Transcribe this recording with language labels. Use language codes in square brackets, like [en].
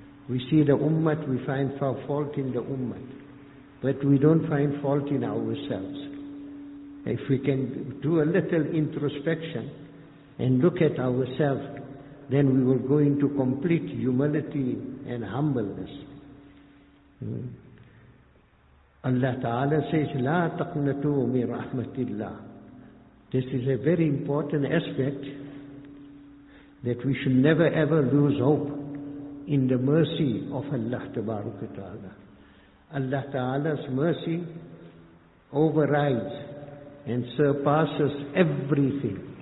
[en] We see the ummah, we find fault in the ummah. But we don't find fault in ourselves. If we can do a little introspection and look at ourselves, then we will go into complete humility and humbleness. Allah Ta'ala says, [ar] لا تقنطوا من رحمة الله. [en] This is a very important aspect, that we should never ever lose hope in the mercy of Allah Tabaraka Ta'ala. Allah Ta'ala's mercy overrides and surpasses everything.